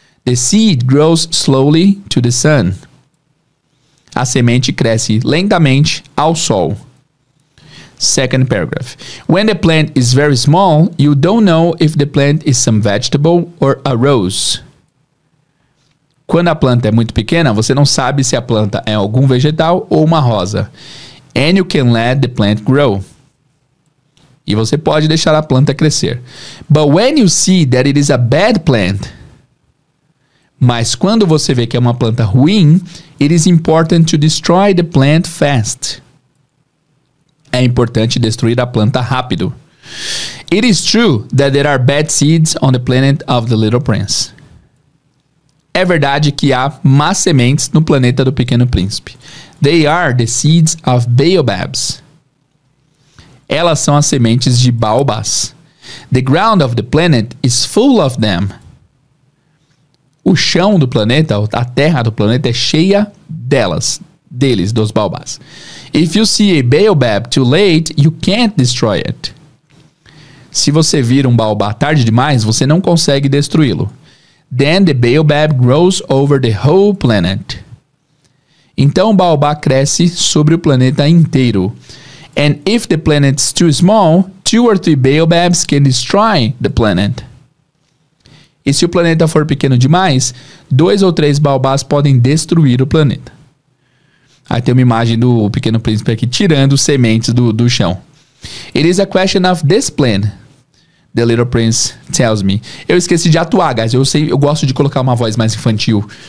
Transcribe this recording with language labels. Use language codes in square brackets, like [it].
[en] The seed grows slowly to the sun. [pt] A semente cresce lentamente ao sol. [en] Second paragraph. When the plant is very small, you don't know if the plant is some vegetable or a rose. [pt] Quando a planta é muito pequena, você não sabe se a planta é algum vegetal ou uma rosa. [en] And you can let the plant grow. [pt] E você pode deixar a planta crescer. [en] But when you see that it is a bad plant, [pt] mas quando você vê que é uma planta ruim, [en] it is important to destroy the plant fast. [pt] É importante destruir a planta rápido. [en] It is true that there are bad seeds on the planet of the Little Prince. [pt] É verdade que há más sementes no planeta do Pequeno Príncipe. [en] They are the seeds of baobabs. [pt] Elas são as sementes de baobás. [en] The ground of the planet is full of them. [pt] O chão do planeta, a terra do planeta é cheia delas, deles, dos baobás. [en] If you see a baobab too late, you can't destroy it. [pt] Se você vir um baobá tarde demais, você não consegue destruí-lo. [en] Then the baobab grows over the whole planet. [pt] Então o baobá cresce sobre o planeta inteiro. [en] And if the planet's too small, two or three baobabs can destroy the planet. [pt] E se o planeta for pequeno demais, dois ou três baobás podem destruir o planeta. Aí tem uma imagem do Pequeno Príncipe aqui tirando sementes do chão. [en] It is a question of discipline, the Little Prince tells me. [pt] Eu esqueci de atuar, guys. Eu gosto de colocar uma voz mais infantil.